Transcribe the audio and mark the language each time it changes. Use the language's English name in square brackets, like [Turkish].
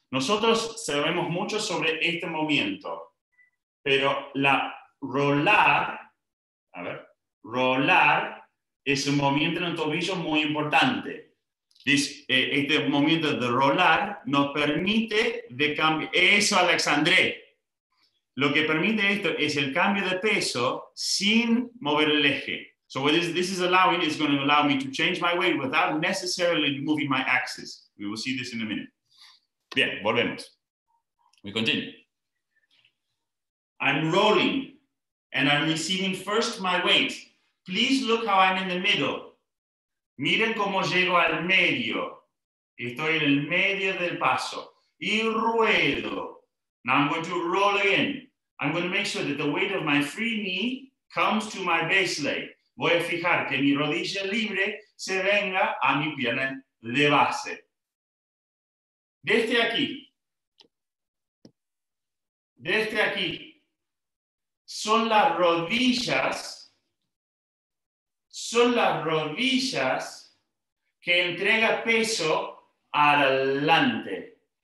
[Spanish] Nosotros sabemos mucho sobre este movimiento, pero la rolar, a ver, rolar es un movimiento en el tobillo muy importante. Este movimiento de rolar nos permite de cambiar. Eso, Alexandre. Lo que permite esto es el cambio de peso sin mover el eje. [English] So what this is allowing is going to allow me to change my weight without necessarily moving my axis. We will see this in a minute. [Spanish] Bien, volvemos. [English] We continue. I'm rolling and I'm receiving first my weight. Please look how I'm in the middle. [Spanish] Miren cómo llego al medio. Estoy en el medio del paso. Y ruedo. [English] Now I'm going to roll again. I'm going to make sure that the weight of my free knee comes to my base leg. [Spanish] Voy a fijar que mi rodilla libre se venga a mi pierna de base. Desde aquí, son las rodillas que entrega peso adelante.